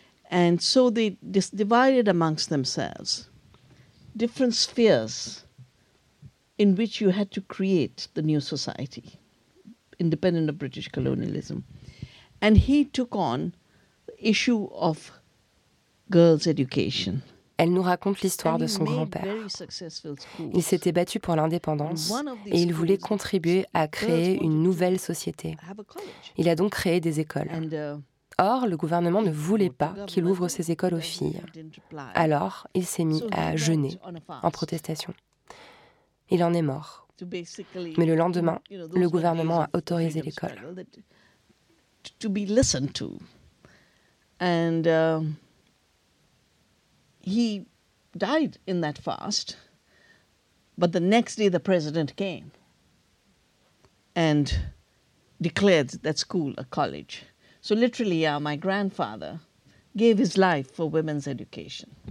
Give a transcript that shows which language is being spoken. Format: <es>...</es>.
<en>And so they divided amongst themselves different spheres in which you had to create the new society, independent of British colonialism. And he took on the issue of girls' education.</en> <fr>Elle nous raconte l'histoire de son grand-père. Il s'était battu pour l'indépendance et il voulait contribuer à créer une nouvelle société. Il a donc créé des écoles. Or, le gouvernement ne voulait pas qu'il ouvre ses écoles aux filles. Alors, il s'est mis à jeûner en protestation. Il en est mort. Mais le lendemain, le gouvernement a autorisé l'école.</fr> <en>He died in that fast, but the next day the president came and declared that school a college. So literally, my grandfather gave his life for women's education.</en>